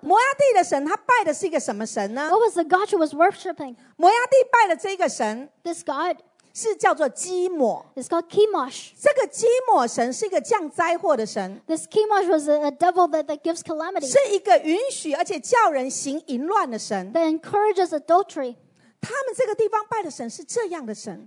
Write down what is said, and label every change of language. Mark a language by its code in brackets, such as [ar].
[zh] 摩押地的神他拜的是一个什么神呢 [en] What was the god she was worshipping [zh] 摩押地拜的这个神 [en] This god [zh] 是叫做基摩 [en] It's called Chemosh. [zh] 这个基摩神是一个降灾祸的神 [en] This Chemosh was a devil that gives calamity. [zh] 是一个允许而且叫人行淫乱的神 [en] That encourages adultery. [zh] 他们这个地方拜的神是这样的神。